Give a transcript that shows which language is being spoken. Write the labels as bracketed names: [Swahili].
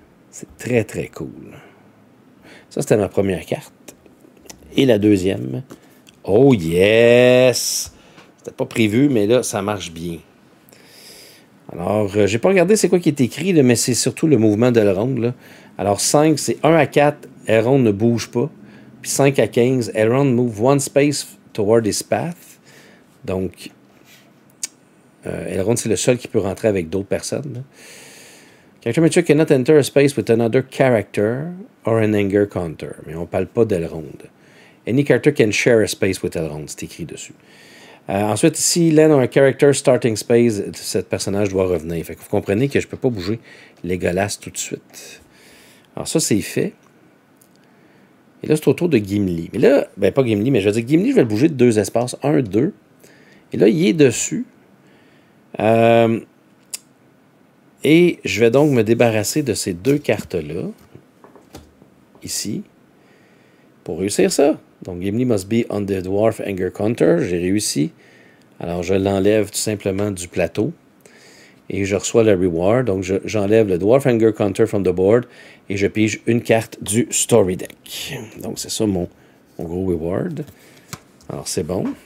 [French] C'est très, très cool. Ça, c'était ma première carte. Et la deuxième. [English] Oh yes! [French] C'était pas prévu, mais là, ça marche bien. Alors, j'ai pas regardé c'est quoi qui est écrit, là, mais c'est surtout le mouvement de Elrond. Là. Alors, 5, c'est 1 à 4, Elrond ne bouge pas. [English] Puis 5 à 15, Elrond move one space toward his path. [French] Donc, Elrond, c'est le seul qui peut rentrer avec d'autres personnes. [English] Character mature cannot enter a space with another character or an anger counter. [French] Mais on parle pas d'Elrond. [English] Any character can share a space with Elrond, [French] c'est écrit dessus. Ensuite, si Len a un character starting space, ce personnage doit revenir. Fait que vous comprenez que je ne peux pas bouger les Legolas tout de suite. Alors ça, c'est fait. Et là, c'est au tour de Gimli. Mais là, ben pas Gimli, mais je veux dire Gimli, je vais le bouger de deux espaces. Un, deux. Et là, il est dessus. Et je vais donc me débarrasser de ces deux cartes-là. Ici. Pour réussir ça. [English] Donc, Gimli must be on the dwarf anger counter. [French] J'ai réussi. Alors, je l'enlève tout simplement du plateau. Et je reçois le reward. Donc, j'enlève le dwarf anger counter [English] from the board. [French] Et je pige une carte du story deck. Donc, c'est ça mon gros reward. Alors, c'est bon.